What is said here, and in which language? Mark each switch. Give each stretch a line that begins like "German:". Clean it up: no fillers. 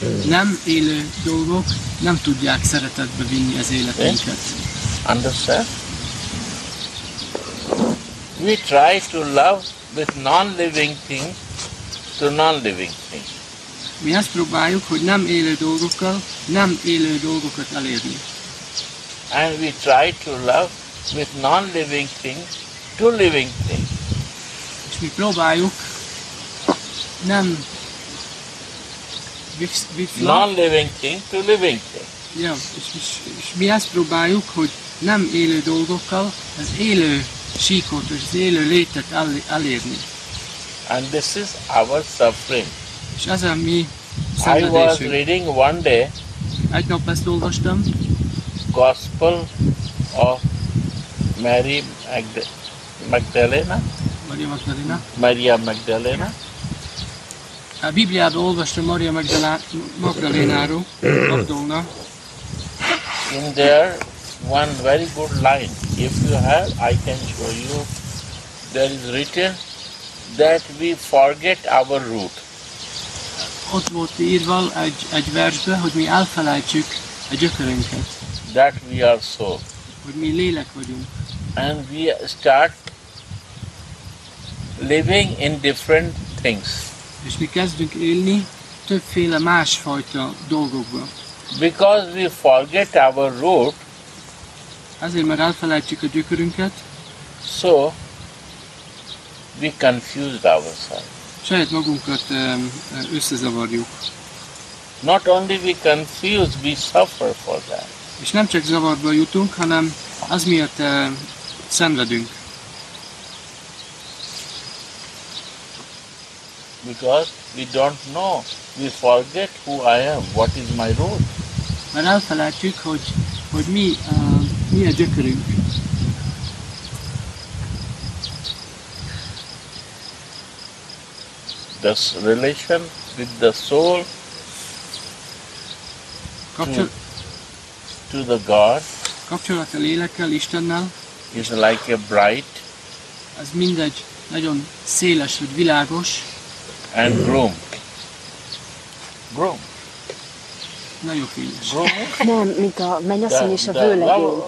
Hungarian: Nem élő dolgok nem tudják szeretetbe vinni az életünket.
English: Yes. Understand? We try to love with non-living things to non-living things.
Hungarian: Mi azt próbáljuk, hogy nem élő dolgokkal, nem élő dolgokat elérni.
English: And we try to love with non-living things to living things.
Hungarian: És mi próbáljuk nem
English: non-living thing to living thing.
Hungarian: Ja, és mi azt próbáljuk, hogy nem élő dolgokkal az élő síkot és az élő létet elérni.
English: And this is our suffering.
Hungarian: És ez a mi szenvedésünk.
English: I was reading one day.
Hungarian: Egy nap ezt olvastam.
English: Gospel of Mary Magdalena.
Hungarian: Maria Magdalena. Maria Magdalena. A Bibliába olvastam Maria Magdalénáról, Magdolna.
English: In there, one very good line. If you have, I can show you there is written that we forget our root.
Hungarian: Ott volt írva egy versbe, hogy mi elfelejtsük a gyökerünket.
English: That we are soul.
Hungarian: Hogy mi lélek vagyunk.
English: And we start living in different things.
Hungarian: És mi kezdünk élni többféle másfajta dolgokba.
English: Because we forget our root.
Hungarian: Azért, mert elfelejtsük a gyökerünket.
English: So, we confused ourselves.
Hungarian: Saját magunkat összezavarjuk.
English: Not only we confuse, we suffer for that.
Hungarian: És nem csak zavarba jutunk, hanem az miatt szenvedünk.
English: Because we don't know, we forget who I am, what is my role.
Hungarian: Mert elfelejtjük, hogy mi a gyökerünk.
English: This relation with the soul to the God.
Hungarian: Kapcsolat a lélekkel, Istennel.
English: Is like a bright.
Hungarian: Az mindegy, nagyon széles, vagy világos.
English: And groom.
Hungarian: Nagyon fényes. Nem, mint a mennyasszony és a vőlegény.